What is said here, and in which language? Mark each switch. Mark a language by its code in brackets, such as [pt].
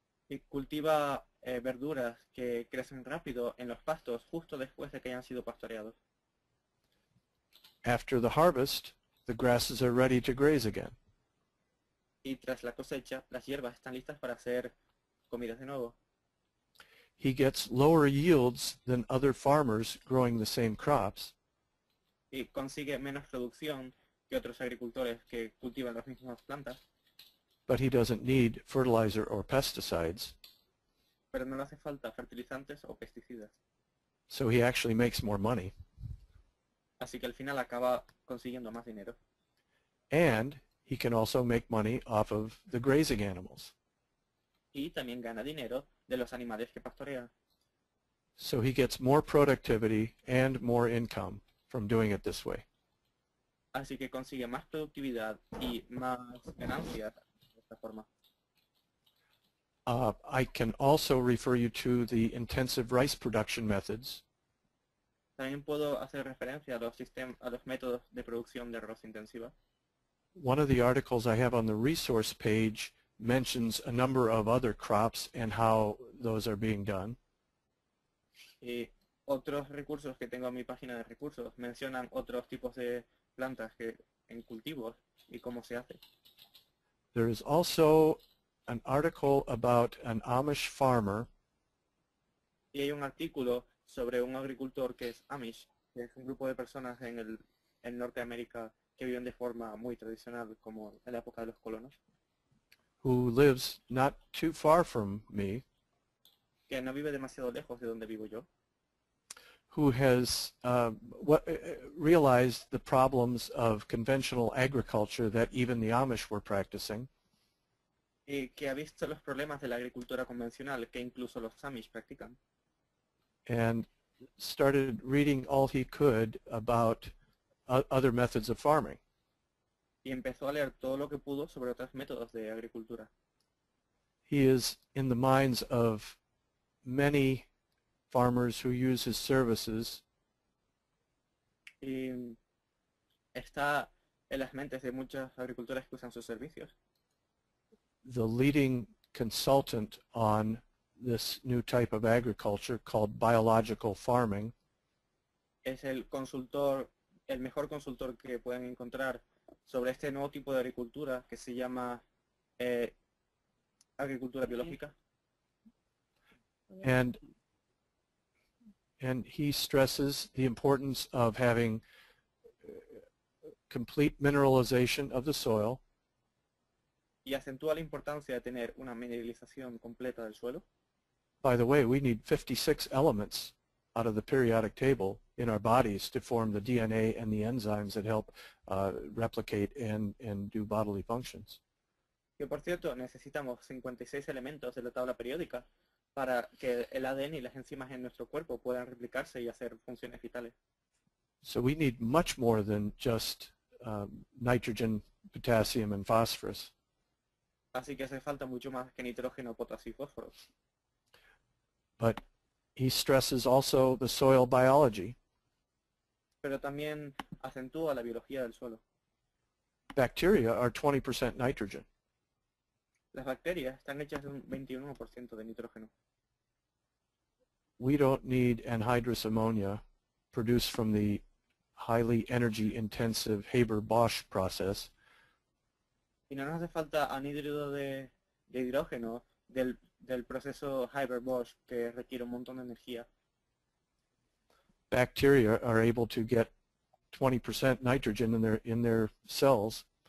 [es] Y cultiva verduras que crecen rápido en los pastos justo después de que hayan sido pastoreados. [en] After the harvest, the grasses are ready to graze again. [es] Y tras la cosecha, las hierbas están listas para ser comidas de nuevo. [en] He gets lower yields than other farmers growing the same crops. [es] Y consigue menos producción que otros agricultores que cultivan las mismas plantas. [en] But he doesn't need fertilizer or pesticides. [es] Pero no le hace falta fertilizantes o pesticidas. [en] So he actually makes more money. [es] Así que al final acaba consiguiendo más dinero. [en] And he can also make money off of the grazing animals. [es] Y también gana dinero de los animales que pastorea. [en] So he gets more productivity and more income from doing it this way. [es] Así que consigue más productividad y más ganancias de esta forma. [en] I can also refer you to the intensive rice production methods. [es] También puedo hacer referencia a los métodos de producción de arroz intensiva. [en] One of the articles I have on the resource page mentions a number of other crops and how those are being done. [es] Y otros recursos que tengo en mi página de recursos mencionan otros tipos de plantas que en cultivos y cómo se hace. [en] There is also an article about an Amish farmer. [es] Y hay un artículo sobre un agricultor que es Amish, que es un grupo de personas en el Norte de América que viven de forma muy tradicional, como en la época de los colonos. [en] Who lives not too far from me. [es] Que no vive demasiado lejos de donde vivo yo. [en] Who has realized the problems of conventional agriculture that even the Amish were practicing. [es] Y que ha visto los problemas de la agricultura convencional que incluso los Amish practican. [en] And started reading all he could about other methods of farming. [es] Y empezó a leer todo lo que pudo sobre otros métodos de agricultura. [en] He is in the minds of many farmers who use his services. [es] Y está en las mentes de muchos agricultores que usan sus servicios. [en] The leading consultant on this new type of agriculture called biological farming. [es] Es el consultor, el mejor consultor que pueden encontrar sobre este nuevo tipo de agricultura que se llama agricultura biológica. [en] And he stresses the importance of having complete mineralization of the soil. [es] Y acentúa la importancia de tener una mineralización completa del suelo. [en] By the way, we need 56 elements out of the periodic table in our bodies to form the DNA and the enzymes that help replicate and do bodily functions. [es] Que por cierto, necesitamos 56 elementos de la tabla periódica para que el ADN y las enzimas en nuestro cuerpo puedan replicarse y hacer funciones vitales. [en] So we need much more than just nitrogen, potassium, and phosphorus. [es] Así que hace falta mucho más que nitrógeno, potasio y fósforo. [en] But he stresses also the soil biology. [es] Pero también acentúa la biología del suelo. [en] Bacteria are 20% nitrogen. [es] Las bacterias están hechas de un 21% de nitrógeno. [en] We don't need anhydrous ammonia produced from the highly energy intensive Haber-Bosch process. [es] Y no nos hace falta anhídrido de hidrógeno del proceso Haber-Bosch que requiere un montón de energía. [en] Bacteria are able to get 20% nitrogen in their cells.